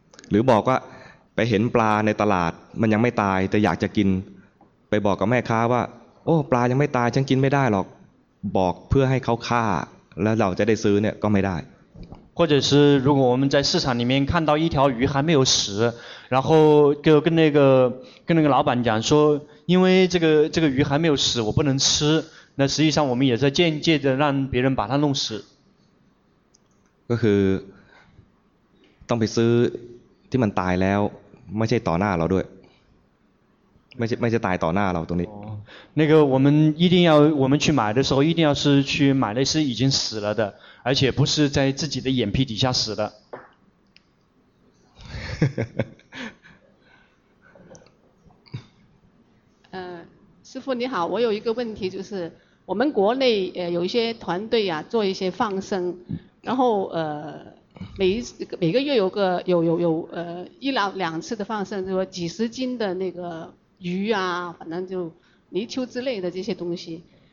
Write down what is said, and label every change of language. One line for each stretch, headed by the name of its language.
Thai: หรือบอกว่าไปเห็นปลาในตลาดมันยังไม่ตายแต่อยากจะกินไปบอกกับแม่ค้าว่าโอ้ปลายังไม่ตายฉันกินไม่ได้หรอกบอกเพื่อให้เขาฆ่าแล้วเราจะได้ซื้อเนี่ยก็ไม่ได้
Chinese: 或者是如果我们在市场里面看到一条鱼还没有死然后就跟那个老板讲说因为这个鱼还没有死我不能吃那实际上我们也在间接的让别人把它弄死
Thai: ก็คือต้องไปซื้อที่มันตายแล้วไม่ใช่ต่อหน้าเราด้วยไม่ใช่ตายต่อหน้าเราตรงนี้
Chinese: 那个我们去买的时候一定要是去买那是已经死了的而且不是在自己的眼皮底下死的师父你好我有一个问题就是我们国内有一些团队啊做一些放生然后每个月有一两次的放生就是几十斤的那个鱼啊反正就泥鳅之类的这些东西